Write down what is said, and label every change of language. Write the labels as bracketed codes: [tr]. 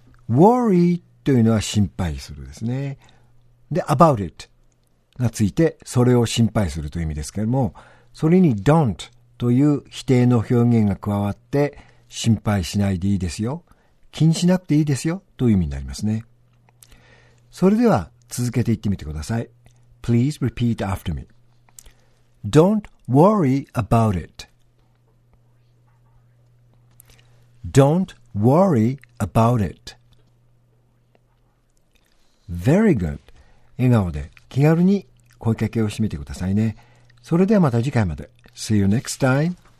[ja] Worry というのは心配するですね。で、about itがついて、それを心配するという意味ですけれども、それに don't という否定の表現が加わって、心配しないでいいですよ。気にしなくていいですよ。という意味になりますね。それでは、続けて言ってみてください。 [en] Please repeat after me.Don't worry about it.Don't worry about it.Very good. [ja] 笑顔で気軽に声かけをしてみてくださいね。それではまた次回まで。 [en] See you next time.